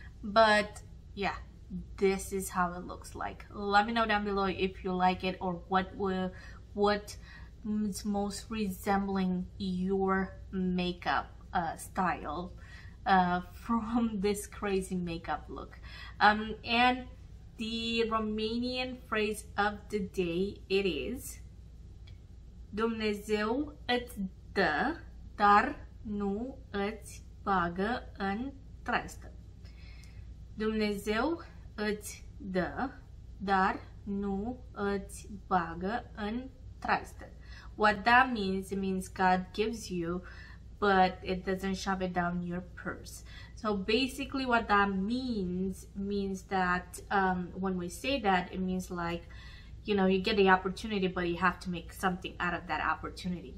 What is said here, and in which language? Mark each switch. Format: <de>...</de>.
<en>But yeah, this is how it looks like. Let me know down below if you like it or what is most resembling your makeup style from this crazy makeup look. And the Romanian phrase of the day, it is</en> <ro>Dumnezeu îți dă, dar nu îți bagă în trestă. Dumnezeu îți dă, dar nu îți bagă în trestă.</ro> <en>What that means, it means God gives you, but it doesn't shove it down your purse. So basically what that means that when we say that, it means like, you know, you get the opportunity, but you have to make something out of that opportunity.</en>